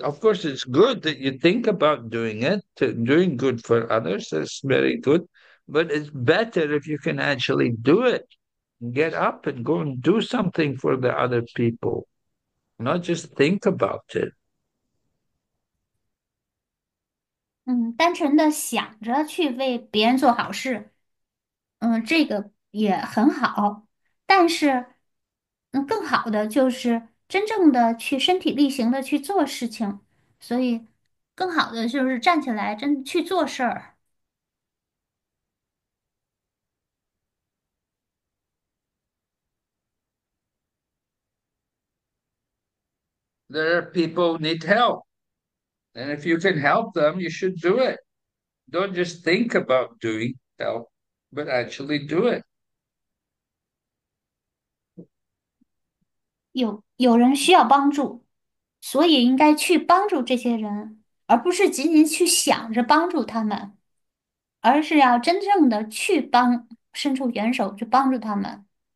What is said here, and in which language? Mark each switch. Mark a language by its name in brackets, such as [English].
[English] Of course, it's good that you think about doing it, doing good for others, that's very good, but it's better if you can actually do it and get up and go and do something for the other people, not just think about it. [Chinese] 单纯的想着去为别人做好事，这个也很好。但是，更好的就是真正的去身体力行的去做事情。所以，更好的就是站起来真去做事儿。 [English] There are people who need help. And if you can help them, you should do it. Don't just think about doing help, but actually do it. [Chinese] 有人需要帮助，所以应该去帮助这些人，而不是仅仅去想着帮助他们，而是要真正的去帮，伸出援手去帮助他们。